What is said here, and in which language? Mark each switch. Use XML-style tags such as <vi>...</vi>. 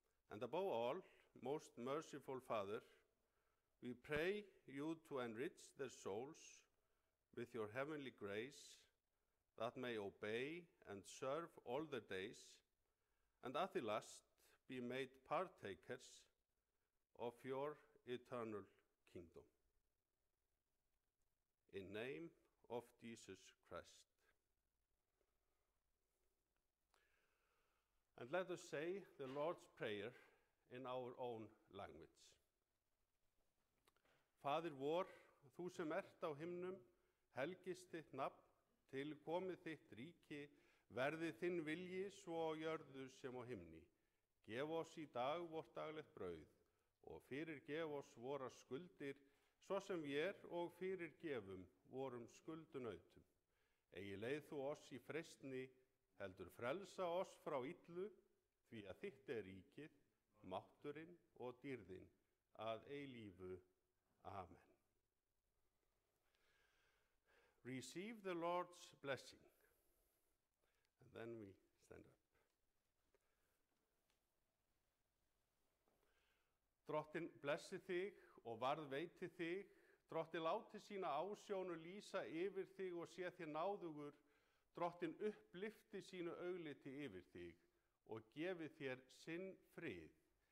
<en>And above all, most merciful Father, we pray you to enrich their souls with your heavenly grace, that may obey and serve all their days, and at the last be made partakers of your eternal kingdom. In name of Jesus Christ. And let us say the Lord's Prayer in our own language.</en> <is>Faðir vor, þú sem ert á himnum, helgist þitt nafn, til komið þitt ríki, verði þinn vilji svo á jörðu sem á himni. Gef oss í dag vort daglegt brauð og fyrir gef oss vora skuldir, svo sem við er og fyrir gefum vorum skuldunautum. Eigi leið þú oss í freistni, heldur frelsa oss frá illu, því að þitt er ríkið, mátturinn og dýrðinn að eilífu. Amen.</is> <en>Receive the Lord's blessing. And then we stand up.</en> <is>Drottinn blessi þig og varðveiti þig. Drottinn láti sína ásjón og lýsa yfir þig og sé þér náðugur. Drottinn upplyfti sínu augliti yfir þig og gefi þér sinn frið.</is>